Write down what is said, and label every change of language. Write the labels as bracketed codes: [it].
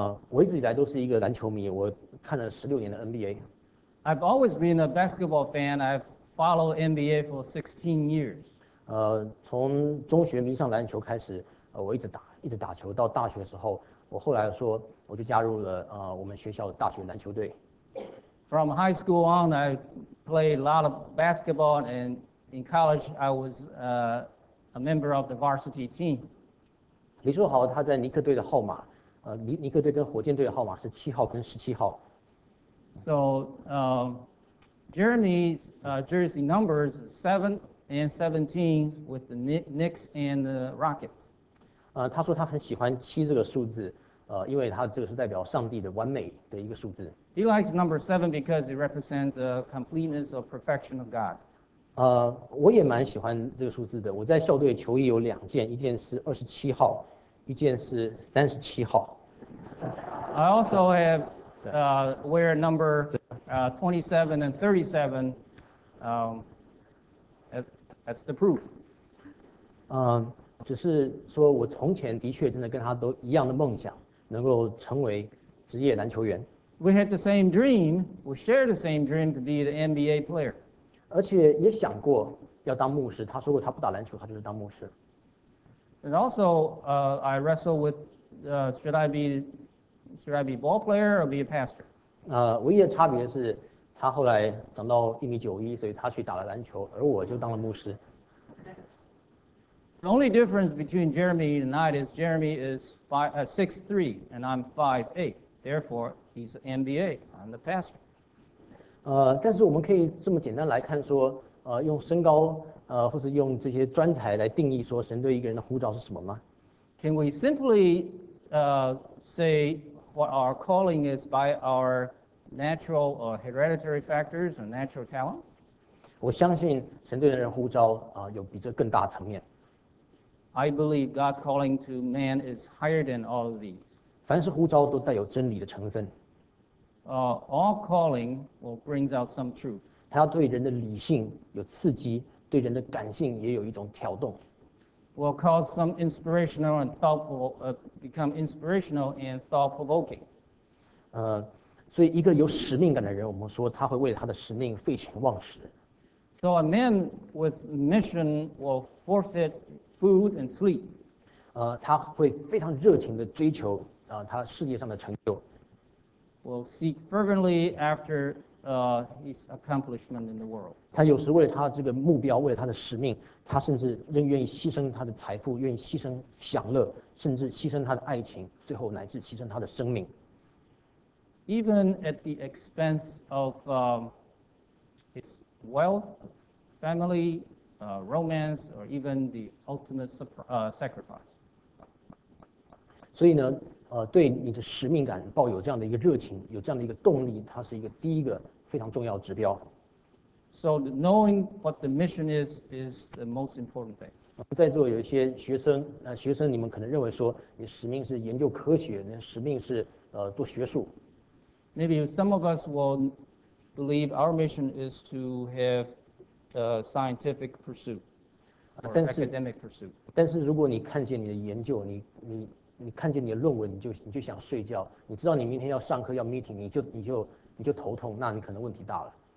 [zh] 我一直以来都是一个篮球迷，我看了十六年的 NBA. [en] I've always been a basketball fan. I've followed NBA for 16 years. [zh] 从中学迷上篮球开始，我一直打球到大学的时候，我后来说我就加入了我们学校大学篮球队。 [en] From high school on, I played a lot of basketball and In college, I was a member of the varsity team. [zh] 李书豪他在尼克队的号码，尼克队跟火箭队的号码是七号跟十七号。 [en] So, Jeremy's jersey numbers 7 and 17 with the Knicks and the Rockets. [zh] 他说他很喜欢七这个数字，因为他这个是代表上帝的完美的一个数字。 [en] He likes number 7 because it represents the completeness or perfection of God. [zh] 我也蛮喜欢这个数字的。我在校队球衣有两件，一件是27号，一件是37号。 [en] I also have wear number 27 and 37. That's the proof. [zh] 只是说我从前的确真的跟他都一样的梦想，能够成为职业篮球员。 [en] We had the same dream. We shared the same dream to be the NBA player. [zh] 而且也想过要当牧师。他说过他不打篮球，他就是当牧师。 [en] And also, I wrestled with, should I be ball player or be a pastor? [zh] 唯一的差别是，他后来长到一米九一，所以他去打了篮球，而我就当了牧师。 [en] The only difference between Jeremy and I is Jeremy is 6'3", and I'm 5'8". Therefore, he's NBA. I'm the pastor. [zh] 但是我们可以这么简单来看说，用身高，或是用这些专才来定义说神对一个人的呼召是什么吗 [en] ？Can we simply say what our calling is by our natural or hereditary factors or natural talents? [zh] 我相信神对人的呼召有比这更大层面。 [en] I believe God's calling to man is higher than all of these. [zh] 凡是呼召都带有真理的成分。 [en] All calling will bring out some truth. [zh] 它要对人的理性有刺激，对人的感性也有一种挑动。 [en] Will cause some inspirational and thoughtful, become inspirational and thought provoking. [zh] 所以一个有使命感的人，我们说他会为他的使命废寝忘食。 [en] So a man with mission will forfeit food and sleep. [zh] 他会非常热情地追求他事业上的成就。 [en] Will seek fervently after his accomplishment in the world. [zh] 他有时为了他这个目标，为了他的使命，他甚至仍愿意牺牲他的财富，愿意牺牲享乐，甚至牺牲他的爱情，最后乃至牺牲他的生命。 [en] Even at the expense of his wealth, family, romance, or even the ultimate sacrifice. [zh] 所以呢，对你的使命感抱有这样的一个热情，有这样的一个动力，它是一个第一个非常重要的指标。 [en] So knowing what the mission is the most important thing. [zh] 在座有一些学生，学生你们可能认为说，你使命是研究科学，你使命是做学术。 [en] Maybe some of us will believe our mission is to have a scientific pursuit or academic pursuit. [zh] 但是如果你看见你的研究，你看见你的论文，你就想睡觉。你知道你明天要上课要 meeting， 你就头痛，那你可能问题大了。